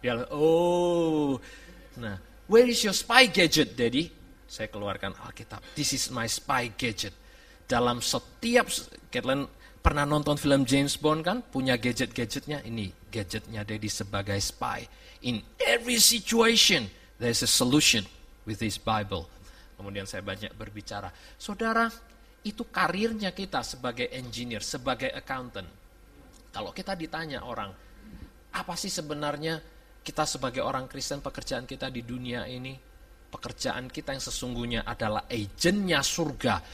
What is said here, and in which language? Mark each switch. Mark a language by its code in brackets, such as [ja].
[id] Dia, [en] oh, nah, where is your spy gadget, daddy? [id] Saya keluarkan Alkitab, [en] this is my spy gadget. [id] Dalam setiap, Caitlin pernah nonton film James Bond kan, punya gadget-gadgetnya, ini gadgetnya daddy sebagai spy. [en] In every situation, there's a solution with this Bible. [id] Kemudian saya banyak berbicara. Saudara, itu karirnya kita sebagai engineer, sebagai accountant. Kalau kita ditanya orang, apa sih sebenarnya kita sebagai orang Kristen, pekerjaan kita di dunia ini? Pekerjaan kita yang sesungguhnya adalah agennya surga.